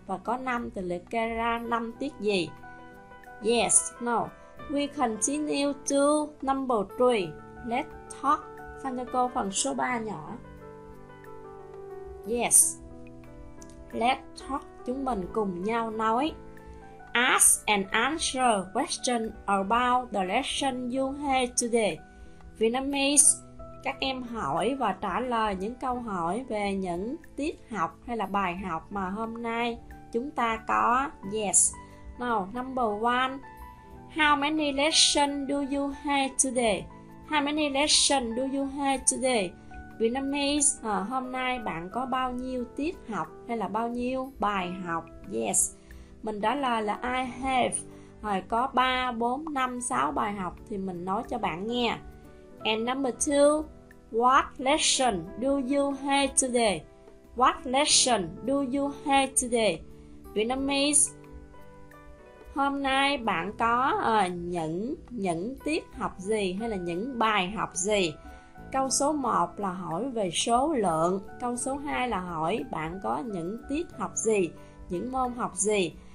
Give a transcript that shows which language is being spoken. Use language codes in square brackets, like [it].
[vi] Và có 5 thì liệt kê ra 5 tiết gì. [en] Yes, no. We continue to number 3. Let's talk. [vi] Xin cho cô phần số 3 nhỏ. Yes. [en] Let's talk. [vi] Chúng mình cùng nhau nói. [en] Ask and answer questions about the lesson you had today. [vi] Vietnamese, các em hỏi và trả lời những câu hỏi về những tiết học hay là bài học mà hôm nay chúng ta có. [en] Yes. Now, number 1. How many lessons do you have today? How many lessons do you have today? [vi] Vietnamese, hôm nay bạn có bao nhiêu tiết học hay là bao nhiêu bài học? Yes. Mình trả lời là [en] I have, [vi] có 3, 4, 5, 6 bài học thì mình nói cho bạn nghe. [en] And number 2, what lesson do you have today? What lesson do you have today? [vi] Vietnamese, hôm nay bạn có những tiết học gì hay là những bài học gì? Câu số 1 là hỏi về số lượng. Câu số 2 là hỏi bạn có những tiết học gì, những môn học gì.